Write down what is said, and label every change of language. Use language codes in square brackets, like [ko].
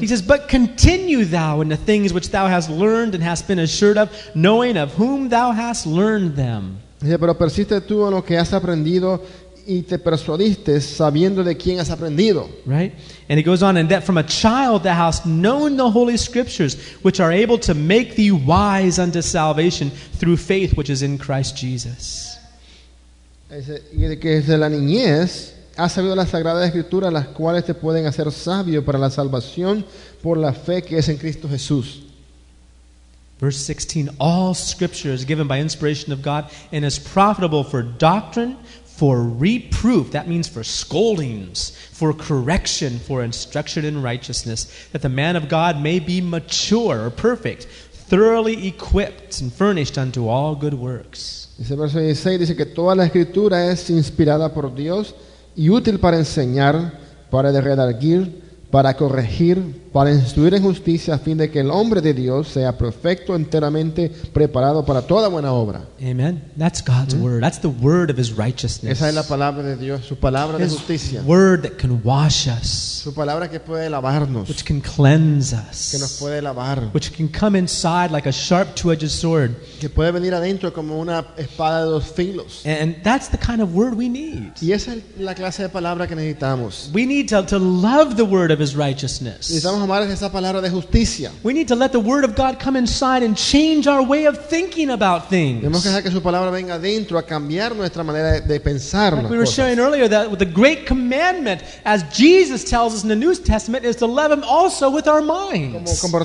[en] He says, but continue thou in the things which thou hast learned and hast been assured of, knowing of whom thou hast learned them. [es] Dice, pero persiste tú en lo que has aprendido y te persuadiste sabiendo de quién has aprendido. [en] Right? And he goes on, and that from a child thou hast known the holy scriptures, which are able to make thee wise unto salvation through faith which is in Christ Jesus. [es] Y de que desde la niñez has sabido las sagradas escrituras, las cuales te pueden hacer sabio para la salvación por la fe que es en Cristo Jesús. [en] Verse 16, all scripture is given by inspiration of God and is profitable for doctrine, for reproof, that means for scoldings, for correction, for instruction in righteousness, that the man of God may be mature or perfect, thoroughly equipped and furnished unto all good works. [es] Ese verso 16 dice que toda la escritura es inspirada por Dios y útil para enseñar, para redarguir, para corregir, para instruir en justicia, a fin de que el hombre de Dios sea perfecto, enteramente preparado para toda buena obra. [en] Amen. That's God's word. That's the word of His righteousness. [es] Esa es la palabra de Dios, su palabra [en] His [es] de justicia. [en] His word that can wash us. [es] Su palabra que puede lavarnos. [en] Which can cleanse us. [es] Que nos puede lavar. [en] Which can come inside like a sharp two-edged sword. [es] Que puede venir adentro como una espada de dos filos. [en] And that's the kind of word we need. [es] Y esa es la clase de palabra que necesitamos. [en] We need to love the word of His righteousness. We need to let the word of God come inside and change our way of thinking about things. Like we were sharing earlier, that the great commandment, as Jesus tells us in the New Testament, is to love Him also with our minds.